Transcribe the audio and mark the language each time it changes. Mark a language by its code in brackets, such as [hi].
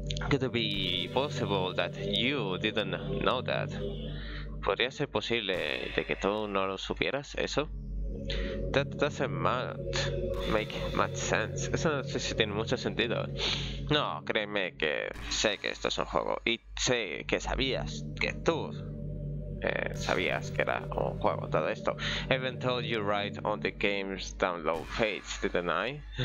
[en] Could it be possible that you didn't know that? [es] ¿Podría ser posible de que tú no lo supieras eso? [en] That doesn't make much sense. [es] Eso no sé si tiene mucho sentido. No, créeme que sé que esto es un juego. Y sé que sabías que tú sabías que era un juego todo esto. [en] I even told you right on the game's download page, didn't I?